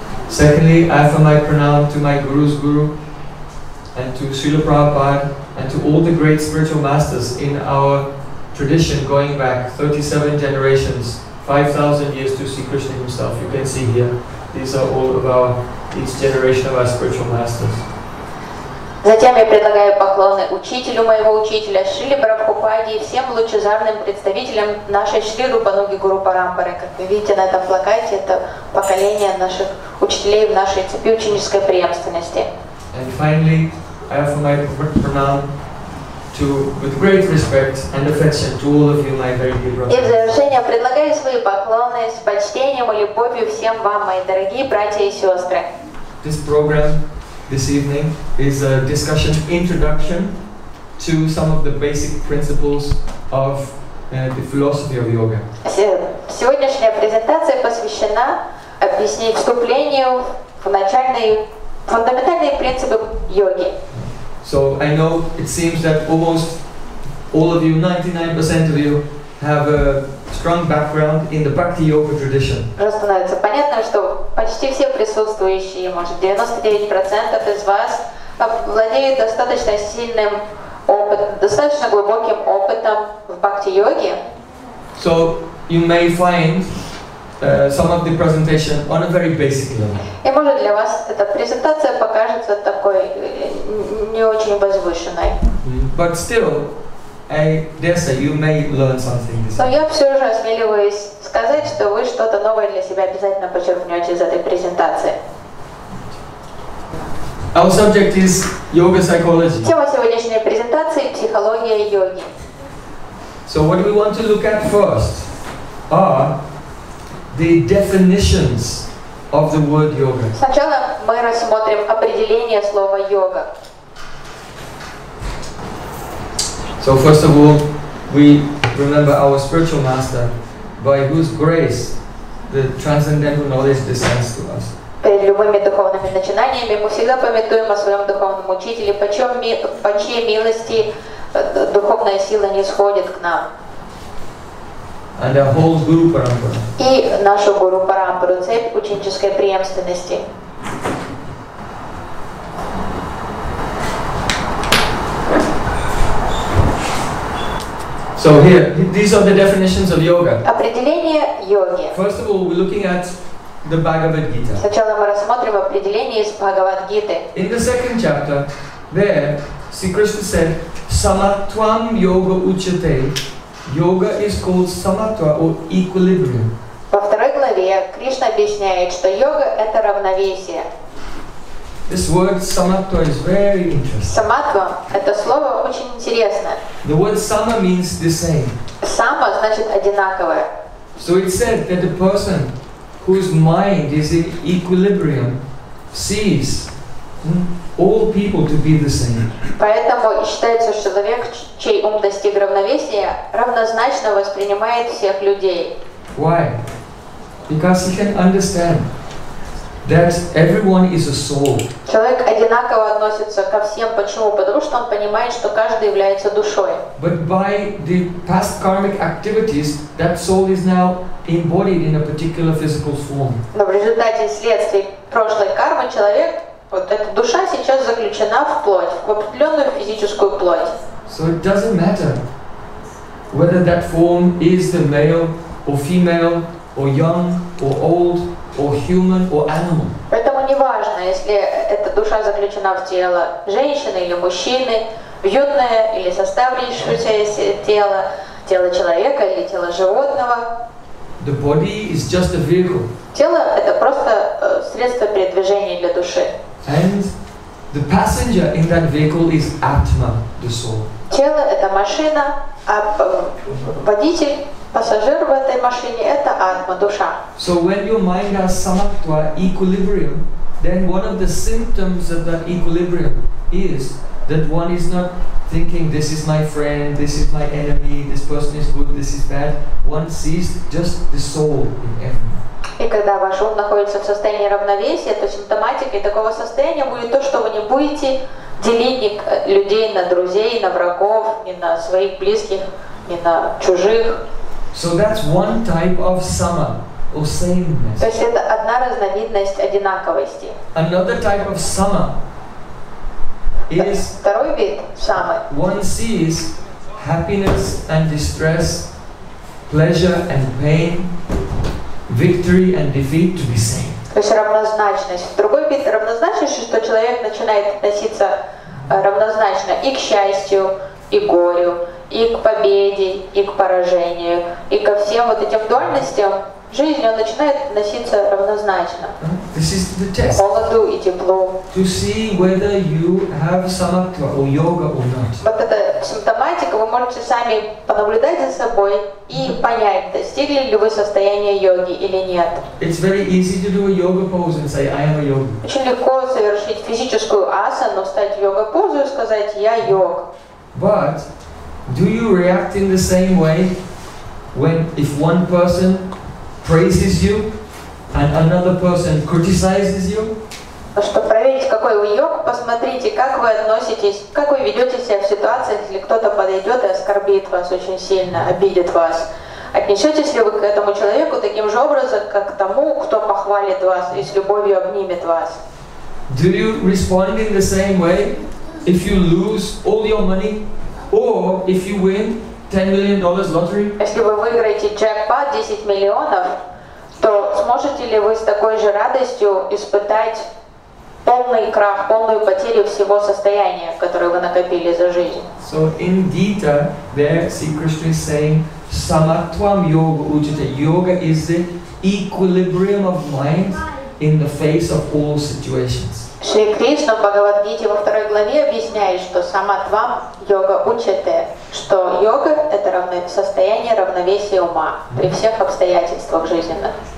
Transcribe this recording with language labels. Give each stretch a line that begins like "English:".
English: Secondly, I offer my pranam to my guru's guru and to Srila Prabhupada and to all the great spiritual masters in our tradition going back 37 generations, 5,000 years to see Krishna himself. You can see here, these are all of our, each generation of our spiritual masters.
Russian: Затем я предлагаю поклоны учителю моего учителя Шриле Прабхупаде и всем лучезарным представителям нашей Шри Рупануги Гуру Парампары. Как вы видите на этом плакате, это поколение наших учителей в нашей цепи ученической преемственности.
English: And finally, I offer my pranam to, with great respect and affection, to all of you, my very dear brothers.
Russian: И в завершение предлагаю свои поклоны с почтением и любовью всем вам, мои дорогие братья и сестры.
English: This program this evening is a discussion introduction to some of the basic principles of the philosophy of yoga.
Russian: Сегодняшняя презентация посвящена объяснению вступлению в начальные фундаментальные принципы йоги.
English: So I know it seems that almost all of you, 99% of you, have a strong background in the Bhakti Yoga tradition.
Russian: Становится понятно, что почти все присутствующие, может 99% из вас, владеют достаточно сильным опытом, достаточно глубоким опытом в Бхакти Йоге.
English: So you may find some of the presentation on a very basic level.
Russian: И может для вас эта презентация покажется такой не очень возвышенной.
English: But still, I dare say you may learn something.
Russian: Но я все же осмеливаюсь сказать, что вы что-то новое для себя обязательно почерпнете из этой презентации.
English: Our subject is yoga psychology.
Russian: Тема сегодняшней презентации – психология йоги.
English: So what we want to look at first are the definitions of the word yoga.
Russian: Сначала мы рассмотрим определение слова йога.
English: So first of all, we remember our spiritual master, by whose grace the transcendental knowledge descends to us.
Russian: Перед любыми духовными начинаниями мы всегда памятуем о своем духовном учителе, по чьей милости духовная сила нисходит к нам.
English: And our whole guru parampara.
Russian: И нашу гуру парампару, цепь ученической преемственности.
English: So here, these are the definitions of yoga.
Russian: Определение йоги.
English: First of all, we're looking at the Bhagavad Gita.
Russian: Сначала мы рассмотрим определение из Бхагавад Гиты.
English: In the second chapter, there, Sri Krishna said,
Sanskrit: Samatvam yoga uchate.
English: Yoga is called samatva or equilibrium.
Russian: Во второй главе Кришна объясняет, что йога это равновесие.
English: This word samatva is very interesting.
Russian: Samatva – это слово очень интересное.
English: The word sama means the same.
Russian: Сама значит одинаковое.
English: So it said that a person whose mind is in equilibrium sees all people to be the same.
Russian: Поэтому считается, что человек, чей ум достиг равновесия, равнозначно воспринимает всех людей.
English: Why? Because he can understand that everyone is a soul.
Russian: Человек одинаково относится ко всем. Почему? Потому что он понимает, что каждый является душой.
English: But by the past karmic activities, that soul is now embodied in a particular physical form.
Russian: Но в результате следствий прошлой кармы человек, вот эта душа сейчас заключена в плоть, в определенную физическую плоть.
English: So it doesn't matter whether that form is the male or female, or young, or old, or human, or animal.
Russian: Поэтому не важно, если эта душа заключена в тело женщины или мужчины, в юное или состарившееся тело, тело человека или тело животного.
English: The body is just a vehicle.
Russian: Тело – это просто средство передвижения для души.
English: And the passenger in that vehicle is Atma, the soul.
Russian: Тело – это машина, а водитель – пассажир в этой машине – это атма, душа.
English: So when your mind has samatva, equilibrium, then one of the symptoms of that equilibrium is that one is not thinking, this is my friend, this is my enemy, this person is good, this is bad. One sees just the soul in everyone.
Russian: И когда ваш ум находится в состоянии равновесия, то симптоматикой такого состояния будет то, что вы не будете делить людей на друзей, на врагов, ни на своих близких, ни на чужих.
English: So that's one type of sama, or sameness.
Russian: То есть это одна разновидность одинаковости.
English: Another type of sama is
Russian: второй вид самы.
English: One sees happiness and distress, pleasure and pain, victory and defeat to be same.
Russian: То есть равнозначность. Другой вид равнозначности, что человек начинает относиться равнозначно и к счастью, и к горю, и к победе, и к поражению, и ко всем вот этим дуальностям жизни он начинает относиться равнозначно.
English: This is the test.
Russian: Холоду и теплу.
English: To see whether you have samatva or yoga or not.
Russian: Вот эта симптоматика, вы можете сами понаблюдать за собой и понять, достигли ли вы состояния йоги или нет.
English: It's very easy to do a yoga pose and say, I am a yogi.
Russian: Очень легко совершить физическую асану, стать йога-позу и сказать, я йог.
English: But do you react in the same way when if one person praises you and another person criticizes you?
Russian: Чтобы проверить, какой вы йог, посмотрите, как вы относитесь, как вы ведете себя в ситуации, если кто-то подойдет и оскорбит вас очень сильно, обидит вас. Отнесетесь ли вы к этому человеку таким же образом, как к тому, кто похвалит вас и с любовью обнимет вас?
English: Do you respond in the same way if you lose all your money? Or if you win $10 million lottery?
Russian: Если вы выиграете джекпот 10 миллионов, то сможете ли вы с такой же радостью испытать полный крах, полную потерю всего состояния, которое вы накопили за жизнь?
English: So in Gita, there Sri Krishna is saying,
Sanskrit: "Samatvam yoga ujjate."
English: Yoga is the equilibrium of mind in the face of all situations.
Russian: Шри Кришна в Бхагавад-гите во второй главе объясняет, что
Sanskrit: самадвам йога учате,
Russian: что йога – это состояние равновесия ума при всех обстоятельствах жизненных.